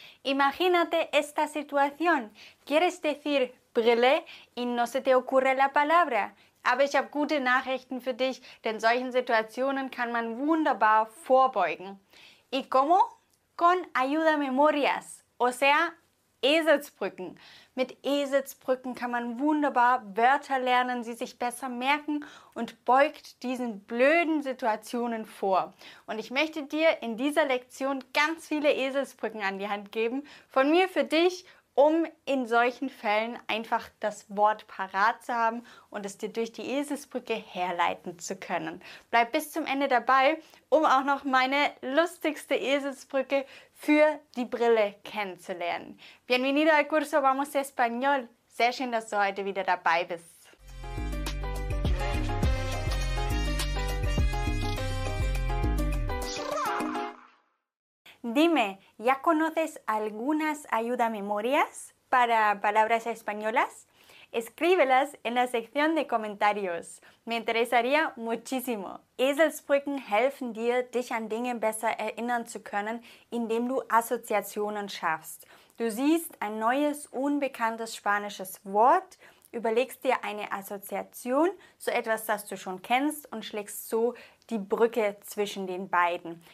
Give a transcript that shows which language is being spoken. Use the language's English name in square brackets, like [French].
[Spanish] Imagínate esta situación. ¿Quieres decir... Brille y no se te ocurre la palabra. [German] Aber ich habe gute Nachrichten für dich, denn solchen Situationen kann man wunderbar vorbeugen. [Spanish] ¿Y cómo? Con ayuda memorias, o sea, Eselsbrücken. [German] Mit Eselsbrücken kann man wunderbar Wörter lernen, sie sich besser merken und beugt diesen blöden Situationen vor. Und ich möchte dir in dieser Lektion ganz viele Eselsbrücken an die Hand geben, von mir für dich, um in solchen Fällen einfach das Wort parat zu haben und es dir durch die Eselsbrücke herleiten zu können. Bleib bis zum Ende dabei, um auch noch meine lustigste Eselsbrücke für die Brille kennenzulernen. [Spanish] Bienvenido al curso Vamos Español. [German] Sehr schön, dass du heute wieder dabei bist. [Spanish] Dime, ¿ya conoces algunas ayuda memorias para palabras españolas? Escríbelas en la sección de comentarios. Me interesaría muchísimo. [German] Eselsbrücken helfen dir, dich an Dinge besser erinnern zu können, indem du Assoziationen schaffst. Du siehst ein neues, unbekanntes spanisches Wort, überlegst dir eine Assoziation, so etwas, das du schon kennst, und schlägst so die Brücke zwischen den beiden.